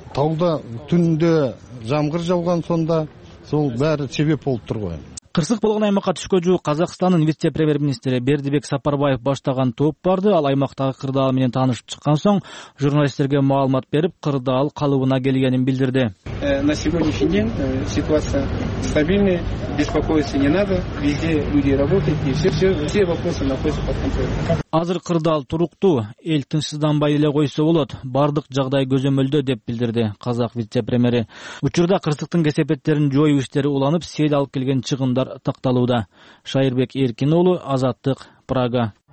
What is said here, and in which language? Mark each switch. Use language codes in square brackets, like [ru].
[ky] Тоодо түндө жамгыр жауган, сонда сол баары себеп болуп турган. Кырсык болгон аймакка түшкө жуу Казакстандын вице-премьер-министри Бердибек Сапарбаев баштаган топ барды. Ал аймактагы кырдаал менен таанышып чыккан соң журналисттерге маалымат берип, кырдаал калыбына келгенин билдирди. [ru] На сегодняшний день ситуация стабильная, беспокоиться не надо, везде люди работают и все вопросы находятся под контролем. [ky] Азыр кырдаал туруктуу, эл тынчсызданбай эле койсо болот, бардык жагдай көзөмөлдө деп билдирди казак вице-премьери. Учурда кырсыктын кесепеттерин жоюу иштери уланып, сел алып келген чыгымдар такталууда. Шайырбек Эркин уулу, Азаттык, Прага.